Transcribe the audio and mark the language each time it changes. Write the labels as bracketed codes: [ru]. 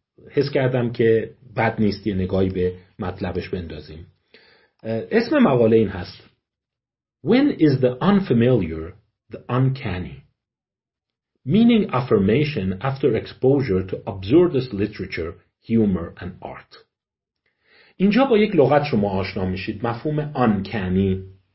[fa] حس کردم که بد نیست یه نگاهی به مطلبش بندازیم. اسم مقاله این هست: [en] When is the unfamiliar the uncanny? Meaning affirmation after exposure to absurdist literature, humor and art. [fa] اینجا با یک لغت شما آشنا میشید، مفهوم uncanny.